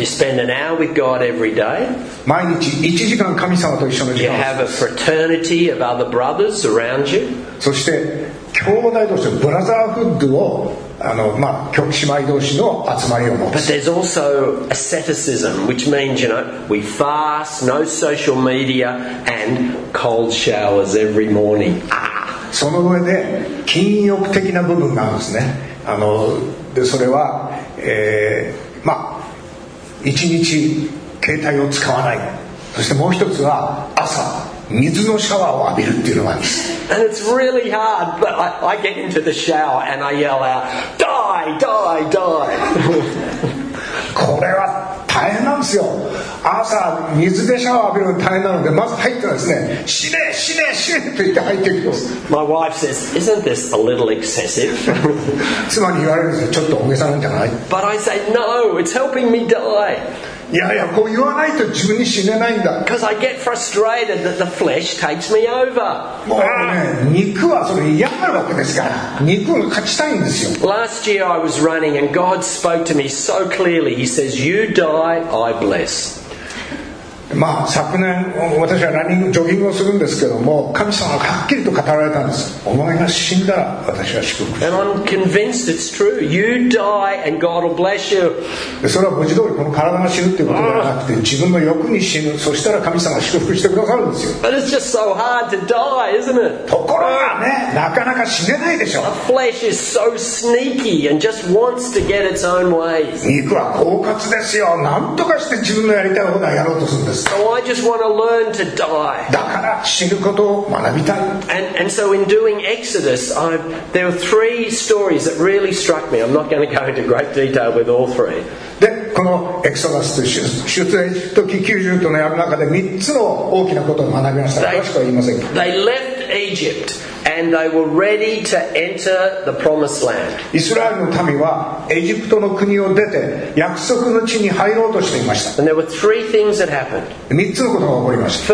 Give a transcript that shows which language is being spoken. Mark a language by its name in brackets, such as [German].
[English] You spend an hour with God every day. [Japanese] 毎日1時間神様と一緒の時間。 [English] You have a fraternity of other brothers around you. [Japanese] そして兄弟同士のブラザーフッドをあのまあ極姉妹同士の集まりを持つ。 [English] But there's also asceticism, which means, you know, we fast, no social media, and cold showers every morning. [Japanese] その上で禁欲的な部分があるんですね。あのでそれは、まあ一日携帯を使わない。そしてもう一つは朝水のシャワーを浴びるっていうのがあります。 [English] And it's really hard, but I get into the shower and I yell out, die, die, die. [Japanese] これは大変なんですよ。朝水でシャワー浴びるの大変なので、まず入ってですね、死ね死ね死ねと言って入っていきます。 [English] My wife says, isn't this a little excessive? [Japanese] 妻に言われるんですよ、ちょっと大げさなんじゃない。 [English] But I say, no, it's helping me die. [Japanese] いやいや、こう言わないと自分に死ねないんだ。 [English] Because I get frustrated that the flesh takes me over. [Japanese] もうね、肉はそれ嫌なわけですから、肉が勝ちたいんですよ。 [English] Last year I was running and God spoke to me so clearly. He says, you die, I bless. [Japanese] まあ、昨年私はランニングジョギングをするんですけども、神様ははっきりと語られたんです。お前が死んだら私は祝福する。 [English] And I'm convinced it's true. You die and God will bless you. [Japanese] それは文字通りこの体が死ぬということではなくて、自分の欲に死ぬ、そしたら神様が祝福してくださるんですよ。 [English] But it's just so hard to die, isn't it? [Japanese] ところがね、なかなか死ねないでしょ。 [English] The flesh is so sneaky and just wants to get its own way. [Japanese] 肉は狡猾ですよ。なんとかして自分のやりたいことをやろうとするんです。 [English] So I just want to learn to die. [Japanese] だから死ぬことを学びたい。 [English] And so in doing Exodus, there were three stories that really struck me. I'm not going to go into great detail with all three. [Japanese] で、このエクソダスと出エジプト記90とのやる中で3つの大きなことを学びました。詳しくは言いませんけど。 [English] They left Egypt and they were ready to enter the promised land. [Japanese] イスラエルの民はエジプトの国を出て約束の地に入ろうとしていました。 [English] And there were three things that happened. [Japanese] 3つのことが起こりました。